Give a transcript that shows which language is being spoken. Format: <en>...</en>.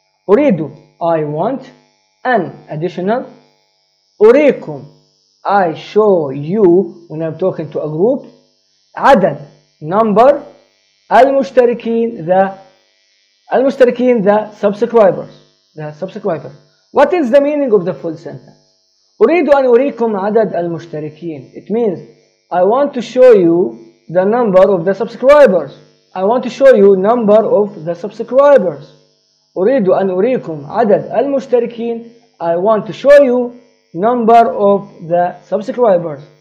<ar>أريد</ar> <en>I want an additional.</en> <ar>أريكم</ar> <en>I show you when I'm talking to a group.</en> <ar>عدد</ar> <en>number</en> <ar>المشتركين</ar> <en>the subscribers. What is the meaning of the full sentence?</en> <ar>أريد أن أريكم عدد المشتركين.</ar> <en>It means I want to show you the number of the subscribers. I want to show you number of the subscribers.</en> <ar>أريد أن أريكم عدد المشتركين.</ar> <en>I want to show you number of the subscribers.</en>